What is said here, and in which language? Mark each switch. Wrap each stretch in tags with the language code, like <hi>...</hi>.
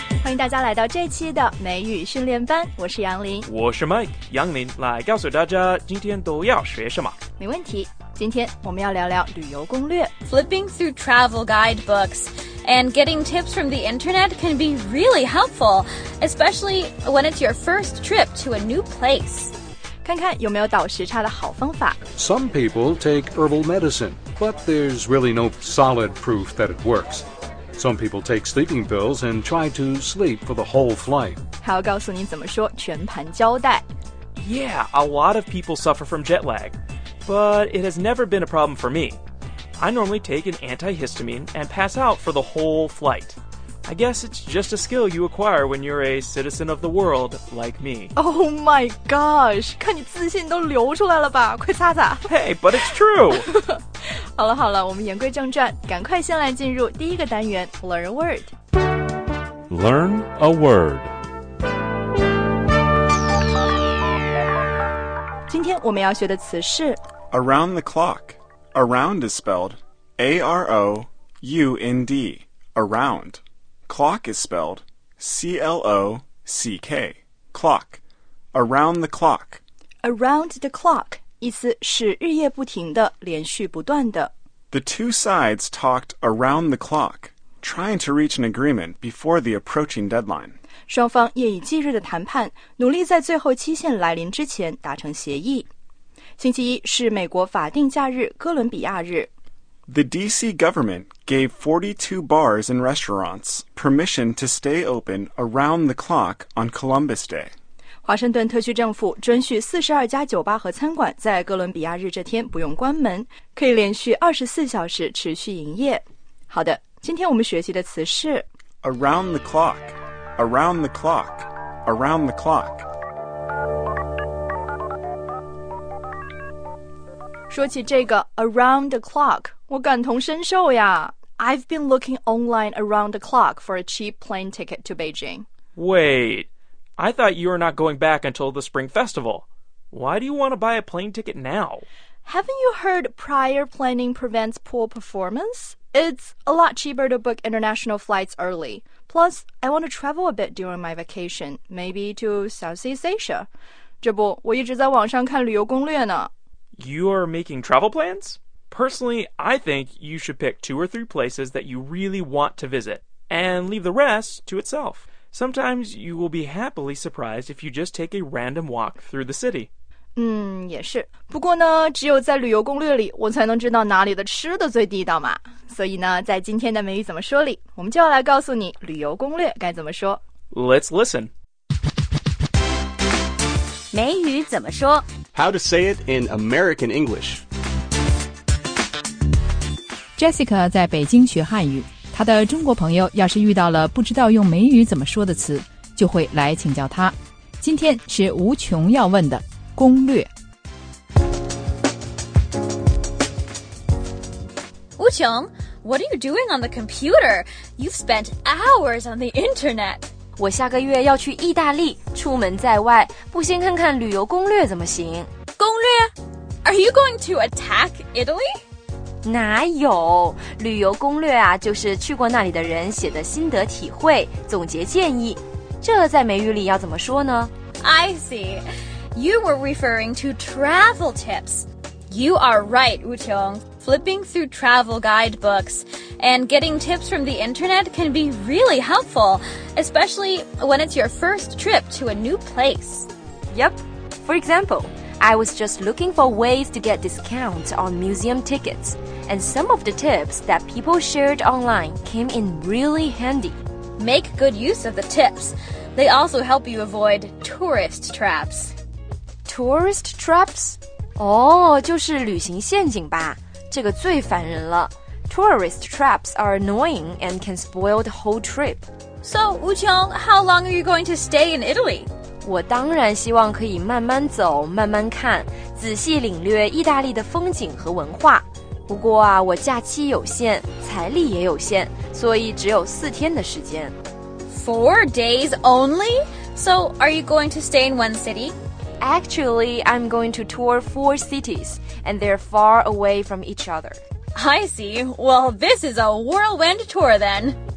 <zh>迎大家来到这期的美语训练班，我是杨林，我是 Mike， 杨林来告诉大家今天都要学什么。没问题，今天我们要聊聊旅游攻略。</zh> <en>Flipping through travel guidebooks and getting tips from the internet can be really helpful, especially when it's your first trip to a new place.</en> <zh>看看有没有倒时差的好方法。</zh> <en>Some people take herbal medicine, but there's really no solid proof that it works. Some people take sleeping pills and try to sleep for the whole flight.</en> <zh>还要告诉你怎么说全盘交代。</zh> <en>Yeah, a lot of people suffer from jet lag, but it has never been a problem for me. I normally take an antihistamine and pass out for the whole flight. I guess it's just a skill you acquire when you're a citizen of the world like me. Oh my gosh,</en> <zh>看你自信都流出来了吧，快擦擦。</zh> <en>Hey, but it's true!</en> <zh>好了好了，我们言归正传，赶快先来进入第一个单元</zh> <en>Learn a word. Learn a word.</en> <zh>今天我们要学的词是</zh> <en>Around the clock. Around is spelled A-R-O-U-N-D. Around. Clock is spelled C-L-O-C-K. Clock. Around the clock. Around the clock.</en> <zh>意思是日夜不停的，连续不断的。</zh> <en>The two sides talked around the clock, trying to reach an agreement before the approaching deadline.</en> <zh>双方夜以继日的谈判，努力在最后期限来临之前达成协议。星期一是美国法定假日哥伦比亚日。</zh> <en>The D.C. government gave 42 bars and restaurants permission to stay open around the clock on Columbus Day.</en> <zh>华盛顿特区政府准许42家酒吧和餐馆在哥伦比亚日这天不用关门，可以连续24小时持续营业。好的，今天我们学习的词是</zh> <en>Around the clock, around the clock, around the clock.</en> <zh>说起这个</zh> <en>around the clock,</en> <zh>我感同身受呀。</zh> <en>I've been looking online around the clock for a cheap plane ticket to Beijing. Wait... I thought you were not going back until the Spring Festival. Why do you want to buy a plane ticket now? Haven't you heard prior planning prevents poor performance? It's a lot cheaper to book international flights early. Plus, I want to travel a bit during my vacation, maybe to Southeast Asia.</en> <zh>这不，我一直在网上看旅游攻略呢。</zh> <en>You are making travel plans? Personally, I think you should pick two or three places that you really want to visit, and leave the rest to itself. Sometimes you will be happily surprised if you just take a random walk through the city.</en> <zh>也是。不过呢，只有在旅游攻略里，我才能知道哪里的吃的最地道嘛。所以呢，在今天的美语怎么说里，我们就要来告诉你旅游攻略该怎么说。</zh> <en>Let's listen.</en> <zh>美语怎么说</zh> <en>？How to say it in American English?</en> <zh>Jessica 在北京学汉语。他的中国朋友要是遇到了不知道用美语怎么说的词，就会来请教他。今天是无穷要问的攻略。</zh> <en>无穷 ，What are you doing on the computer? You've spent hours on the internet.</en> <zh>我下个月要去意大利，出门在外，不先看看旅游攻略怎么行？</zh> <en>攻略 ？Are you going to attack Italy?</en> <zh>哪有旅游攻略啊，就是去过那里的人写的心得体会总结建议，这在美语里要怎么说呢？</zh> <en>I see you were referring to travel tips. You are right, Wu Qiong. Flipping through travel guidebooks and getting tips from the internet can be really helpful, especially when it's your first trip to a new place. Yep, for example, I was just looking for ways to get discounts on museum ticketsAnd some of the tips that people shared online came in really handy. Make good use of the tips. They also help you avoid tourist traps. Tourist traps?</en> <zh>就是旅行陷阱吧。这个最烦人了。</zh> <en>Tourist traps are annoying and can spoil the whole trip. So, Wu Qiong, how long are you going to stay in Italy?</en> <zh>我当然希望可以慢慢走，慢慢看，仔细领略意大利的风景和文化。不过啊，我假期有限，财力也有限，所以只有四天的时间。</zh> <en>Four days only? So, are you going to stay in one city? Actually, I'm going to tour four cities, and they're far away from each other. I see. Well, this is a whirlwind tour then.</en>